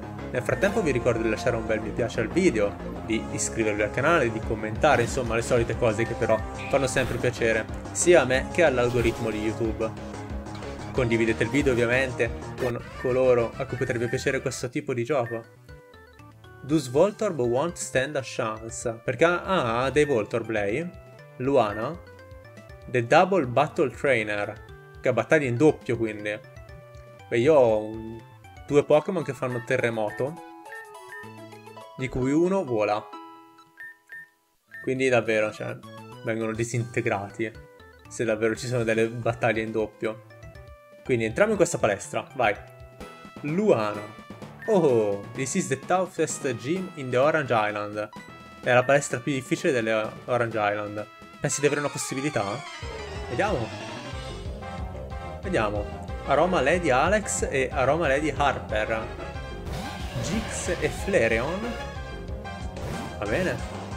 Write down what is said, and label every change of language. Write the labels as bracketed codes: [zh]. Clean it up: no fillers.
[it] Nel frattempo vi ricordo di lasciare un bel mi piace al video, di iscrivervi al canale, di commentare, insomma le solite cose che però fanno sempre piacere, sia a me che all'algoritmo di YouTube. Condividete il video ovviamente con coloro a cui potrebbe piacere questo tipo di gioco. [en] Does Voltorb won't stand a chance? [it] Perché ha dei Voltorb lei? Luana? [en] The Double Battle Trainer. [it] Che ha battaglia in doppio quindi. Beh, io ho due Pokémon che fanno terremoto. Di cui uno vola. Quindi davvero, cioè, vengono disintegrati. Se davvero ci sono delle battaglie in doppio. Quindi entriamo in questa palestra, vai. Luana. [en] Oh, this is the toughest gym in the Orange Island. [it] È la palestra più difficile delle Orange Island. Pensi di avere una possibilità? Vediamo. Vediamo. Aroma Lady Alex e Aroma Lady Harper. Jinx e Flareon. Va bene.